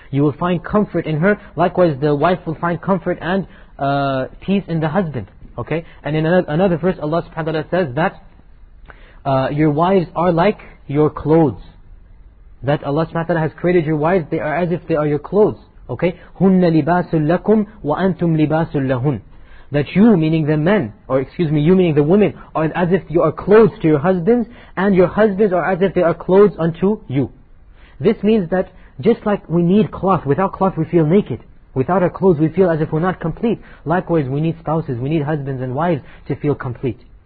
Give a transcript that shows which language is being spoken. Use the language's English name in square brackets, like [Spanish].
[English] You will find comfort in her. Likewise, the wife will find comfort and peace in the husband. Okay, and in another verse, Allah subhanahu wa ta'ala says that your wives are like your clothes. That Allah subhanahu wa ta'ala has created your wives, they are as if they are your clothes. Okay, [Arabic] هُنَّ لِبَاسٌ لَكُمْ وَأَنْتُمْ لِبَاسٌ لَهُنْ. [English] That you, meaning the men, you meaning the women, are as if you are clothes to your husbands, and your husbands are as if they are clothes unto you. This means that just like we need cloth, without cloth we feel naked. Without our clothes, we feel as if we're not complete. Likewise, we need spouses, we need husbands and wives to feel complete.